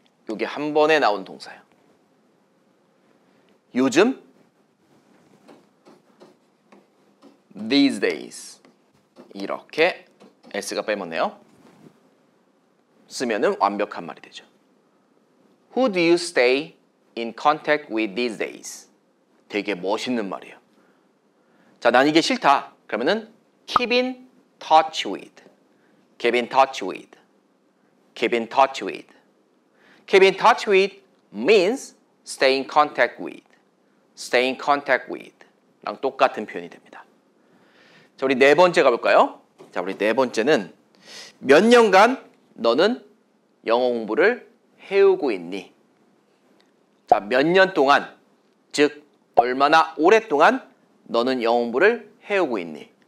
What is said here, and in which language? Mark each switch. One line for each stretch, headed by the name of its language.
Korean: 이게 한 번에 나온 동사예요. 요즘?
English: These days.
Korean: 이렇게 S가 빼먹네요. 쓰면은 완벽한 말이 되죠.
English: Who do you stay in contact with these days?
Korean: 되게 멋있는 말이에요. 자, 난 이게 싫다.
English: 그러면은 keep in touch with. Keep in touch with. Keep in touch with. Keep in touch with means stay in contact with. Stay in contact with.
Korean: 랑 똑같은 표현이 됩니다. 자, 우리 네 번째 가볼까요? 자, 우리 네 번째는 몇 년간 너는 영어 공부를 해오고 있니? 자, 몇 년 동안, 즉 얼마나 오랫동안 너는 영어 공부를 해오고 있니?